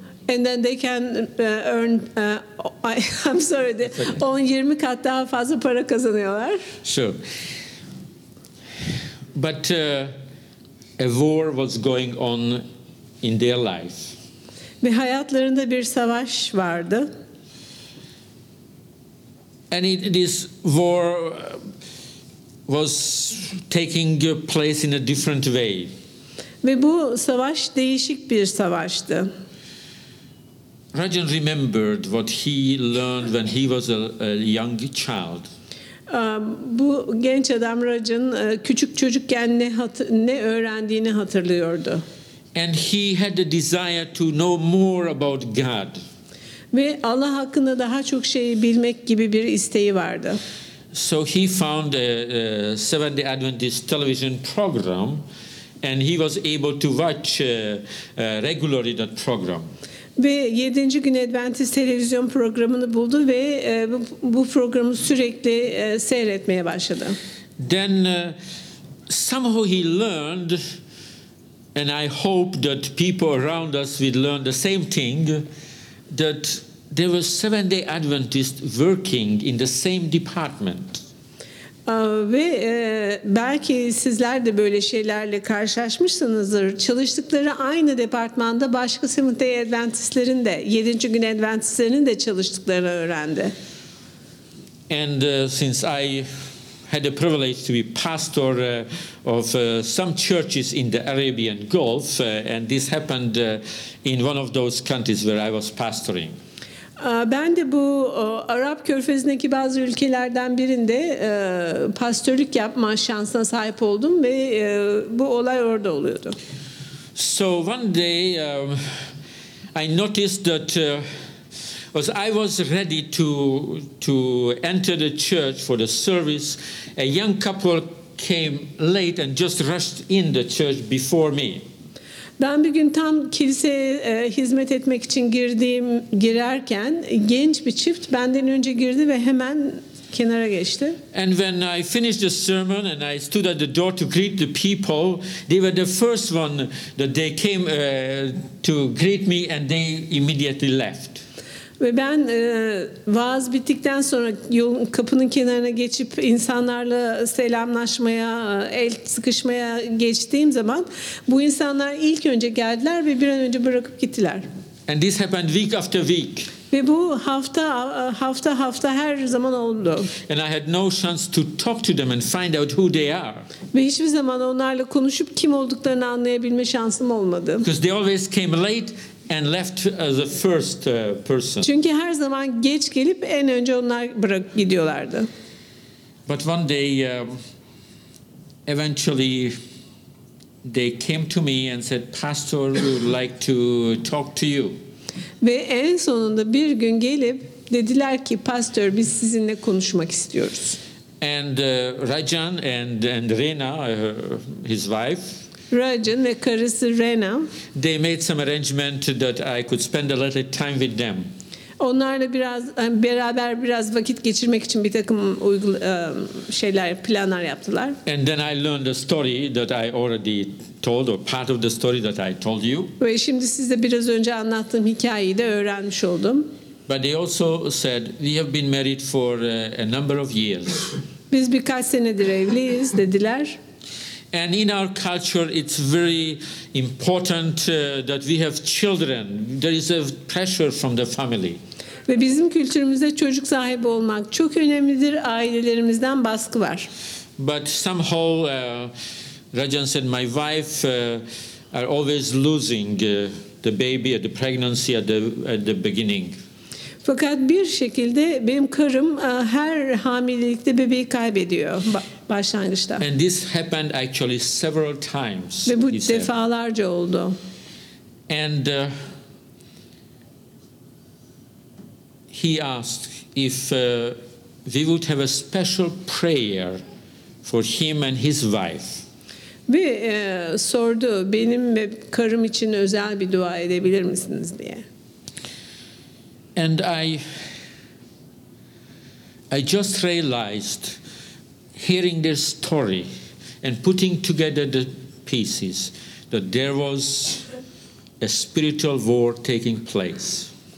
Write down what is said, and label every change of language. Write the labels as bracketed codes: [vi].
[en] And then they can earn I'm sorry, [tr] 10-20 kat daha fazla para kazanıyorlar. [en] Sure. But a war was going on in their life. [tr] Ve hayatlarında bir savaş vardı. [en] And this war was taking place in a different way. [tr] Ve bu savaş değişik bir savaştı. [en] Rajan remembered what he learned when he was a young child. [tr] Bu genç adam Rajan küçük çocukken ne öğrendiğini hatırlıyordu. [en] And he had a desire to know more about God. [tr] Ve Allah hakkında daha çok şeyi bilmek gibi bir isteği vardı. [en] So he found a Seventh-day Adventist television program and he was able to watch regularly that program. [tr] Ve 7. gün Adventist televizyon programını buldu ve bu programı sürekli seyretmeye başladı. [en] Then somehow he learned, and I hope that people around us will learn the same thing, that there were Seventh-day Adventists working in the same department. [tr] Ve belki sizler de böyle şeylerle karşılaşmışsınızdır. Çalıştıkları aynı departmanda başka Seventh-day Adventistlerin de, 7. gün Adventistlerinin de çalıştıklarını öğrendi. [en] And since I had the privilege to be pastor of some churches in the Arabian Gulf, and this happened in one of those countries where I was pastoring. [tr] Ben de bu Arap Körfezi'ndeki bazı ülkelerden birinde pastörlük yapma şansına sahip oldum ve bu olay orada oluyordu. [en] So one day I noticed that I was ready to enter the church for the service, a young couple came late and just rushed in the church before me. [tr] Ben bir gün tam kiliseye hizmet etmek için girerken genç bir çift benden önce girdi ve hemen kenara geçti. [en] And when I finished the sermon and I stood at the door to greet the people, they were the first one that they came to greet me and they immediately left. [tr] Ve ben vaaz bittikten sonra yolun kapının kenarına geçip insanlarla selamlaşmaya, el sıkışmaya geçtiğim zaman bu insanlar ilk önce geldiler ve bir an önce bırakıp gittiler. [en] And this happened week after week. [tr] Ve bu hafta hafta her zaman oldu. [en] And I had no chance to talk to them and find out who they are. [tr] Ve hiçbir zaman onlarla konuşup kim olduklarını anlayabilme şansım olmadı. [en] Because they always came late and left as the first person. [tr] Çünkü her zaman geç gelip en önce onlar bırak gidiyorlardı. [en] But one day eventually they came to me and said, "Pastor, we would like to talk to you." [tr] Ve en sonunda bir gün gelip dediler ki, "Pastör, biz sizinle konuşmak istiyoruz." [en] And Rajan and Rena, his wife, [tr] Rajan ve karısı Rena, [en] they made some arrangement that I could spend a little time with them. [tr] Onlarla biraz beraber biraz vakit geçirmek için bir takım şeyler planlar yaptılar. [en] And then I learned the story that I already told, or part of the story that I told you. [tr] Ve şimdi size biraz önce anlattığım hikayeyi de öğrenmiş oldum. [en] But they also said, "We have been married for a number of years." [tr] Biz birkaç senedir evliyiz dediler. [en] And in our culture, it's very important that we have children. There is a pressure from the family. [tr] Ve bizim kültürümüzde çocuk sahibi olmak çok önemlidir. Ailelerimizden baskı var. [en] But somehow, Rajan said, "My wife are always losing the baby at the pregnancy at the beginning." [tr] Fakat bir şekilde benim karım her hamilelikte bebeği kaybediyor başlangıçta. [en] And this happened actually several times. [tr] Ve bu defalarca oldu. [en] And he asked if we would have a special prayer for him and his wife. [tr] Ve sordu, benim ve karım için özel bir dua edebilir misiniz diye. [en] And I just realized, hearing their story and putting together the pieces, that there was a spiritual war taking place.